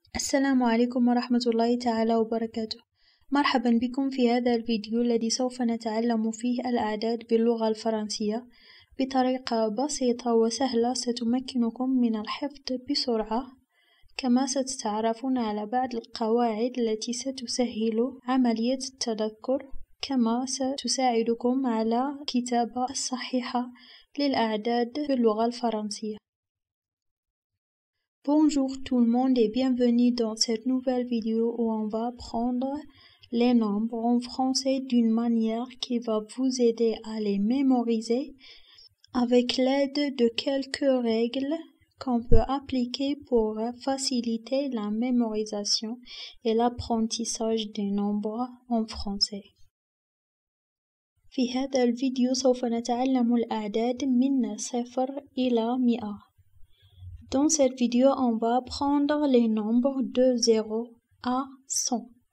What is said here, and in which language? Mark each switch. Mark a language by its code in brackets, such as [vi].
[ar] السلام عليكم ورحمة الله تعالى وبركاته. مرحبا بكم في هذا الفيديو الذي سوف نتعلم فيه الأعداد باللغة الفرنسية بطريقة بسيطة وسهلة ستمكنكم من الحفظ بسرعة، كما ستتعرفون على بعض القواعد التي ستسهل عملية التذكر، كما ستساعدكم على كتابة صحيحة للأعداد باللغة الفرنسية. [fr] Bonjour tout le monde et bienvenue dans cette nouvelle vidéo où on va apprendre les nombres en français d'une manière qui va vous aider à les mémoriser avec l'aide de quelques règles qu'on peut appliquer pour faciliter la mémorisation et l'apprentissage des nombres en français. [ar] في هذا الفيديو سوف نتعلم الأعداد من صفر إلى مئة. [fr] Dans cette vidéo, on va apprendre les nombres de 0 à 100.